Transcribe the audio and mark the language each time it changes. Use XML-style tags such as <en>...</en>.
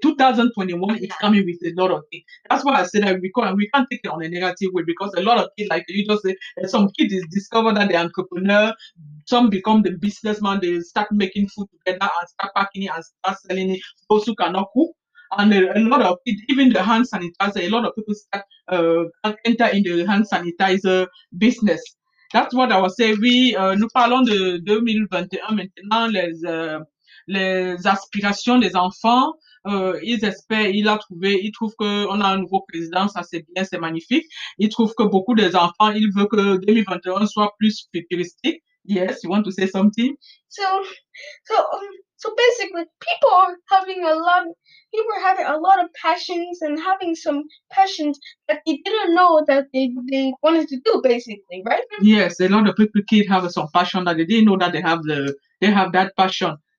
<en>2021 is coming with a lot of things. That's why I said that we can't take it on a negative way, because a lot of kids, like you just said, some kids discover that they're entrepreneur. Some become the businessman. They start making food together and start packing it and start selling it. Those who cannot cook. And a lot of it, even the hand sanitizer, a lot of people start enter in the hand sanitizer business. That's what I was saying.</en> <fr>Nous parlons de 2021 maintenant, les aspirations des enfants. Ils espèrent, ils trouvent qu'on a un nouveau président, ça c'est bien, c'est magnifique. Ils trouvent que beaucoup des enfants, ils veulent que 2021 soit plus futuristique.</fr> <en>Yes, you want to say something? So basically, people are having a lot of passions and having some passions that they didn't know that they wanted to do, basically, right? Yes, a lot of people, kids have some passion that they didn't know that they have that passion.</en>